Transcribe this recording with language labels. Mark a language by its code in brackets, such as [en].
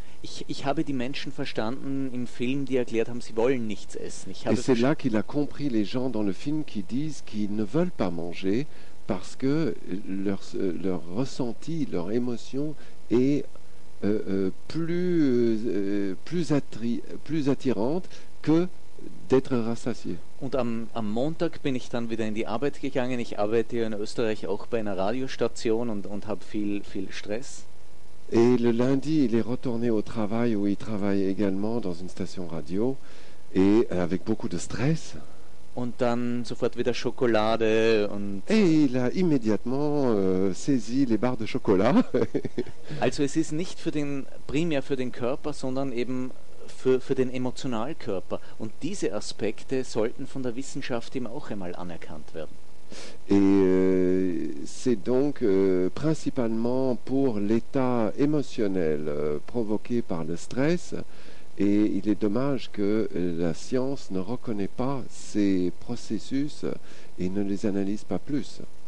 [de] Ich habe die Menschen verstanden im Film, die erklärt haben, sie wollen nichts essen. [fr] Et c'est là qu'il a compris les gens dans le film qui disent qu'ils ne veulent pas manger. Parce que leur ressenti, leur émotion est plus attirante que d'être rassasié. [de] Und am Montag bin ich dann wieder in die Arbeit gegangen. Ich arbeite in Österreich auch bei einer Radiostation und habe viel Stress. [fr] Et le lundi, il est retourné au travail où il travaille également dans une station radio et avec beaucoup de stress. [de] Und dann sofort wieder Schokolade und... [fr] Et il a immédiatement saisi les barres de chocolat. [de] Also es ist nicht primär für den Körper, sondern eben für den Emotionalkörper. Und diese Aspekte sollten von der Wissenschaft eben auch einmal anerkannt werden. [fr] Et c'est donc principalement pour l'état émotionnel provoqué par le stress... Et il est dommage que la science ne reconnaît pas ces processus et ne les analyse pas plus.